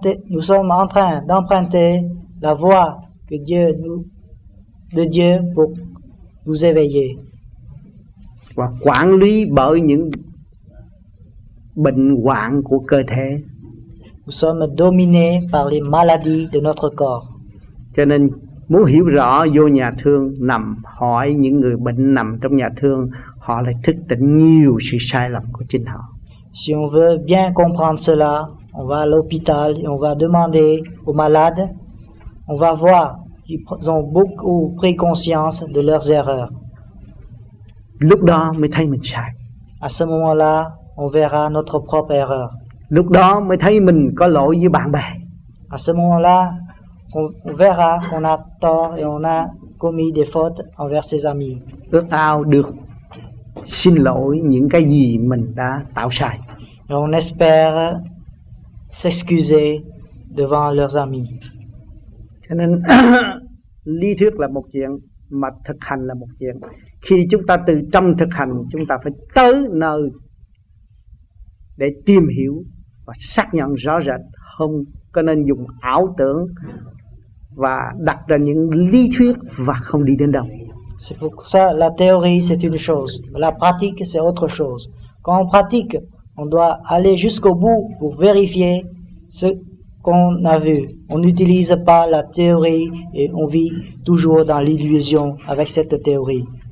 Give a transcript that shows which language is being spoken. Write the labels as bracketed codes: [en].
[fr] Nous sommes en train d'emprunter la voix que Dieu nous de Dieu pour nous éveiller. [vi] Và quản lý bởi những bệnh hoạn của cơ thể. [fr] Nous sommes dominés par les maladies de notre corps. [vi] Cho nên muốn hiểu rõ vô nhà thương nằm hỏi những người bệnh nằm trong nhà thương, họ lại thức tỉnh nhiều sự sai lầm của chính họ. [fr] Si on veut bien comprendre cela, on va à l'hôpital et on va demander aux malades, on va voir qu'ils ont beaucoup pris conscience de leurs erreurs. [vi] Lúc đó mới thấy mình sai. [fr] À ce moment-là, on verra notre propre erreur. [vi] Lúc đó mới thấy mình có lỗi với bạn bè. [fr] À ce moment-là, on verra qu'on a tort et on a commis des fautes envers ses amis. [vi] Ước ao được xin lỗi những cái gì mình đã tạo sai. [fr] Et on espère s'excuser devant leurs amis. [vi] Cho nên lý thuyết là một chuyện, mà thực hành là một chuyện. Khi chúng ta từ trong thực hành, chúng ta phải tới nơi để tìm hiểu và xác nhận rõ rệt, không có nên dùng ảo tưởng và đặt ra những lý thuyết và không đi đến đâu. [fr] C'est pour ça, la théorie c'est une chose, la pratique c'est autre chose. Quand on pratique, on doit aller jusqu'au bout pour vérifier ce qu'on a vu. On n'utilise pas la théorie et on vit toujours dans l'illusion avec cette théorie.